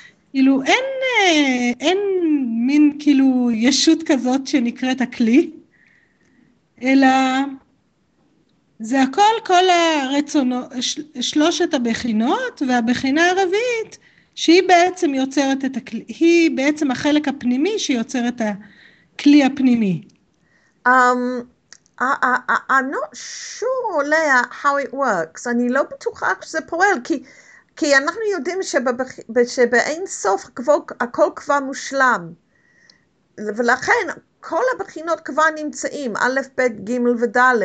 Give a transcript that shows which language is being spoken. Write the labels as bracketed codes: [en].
[he] כאילו אין מין כאילו ישות כזאת שנקראת הכלי, אלא זה הכל, כל הרצונות, שלושת הבחינות, והבחינה הרביעית, שהיא בעצם יוצרת את הכלי, היא בעצם החלק הפנימי שיוצר את הכלי הפנימי. [en] I'm not sure, Leah, how it works. [he] אני לא בטוחה שזה פועל, כי אנחנו יודעים שבאין סוף הכל כבר מושלם. ולכן כל הבחינות כבר נמצאים, א', ב', ג' וד'.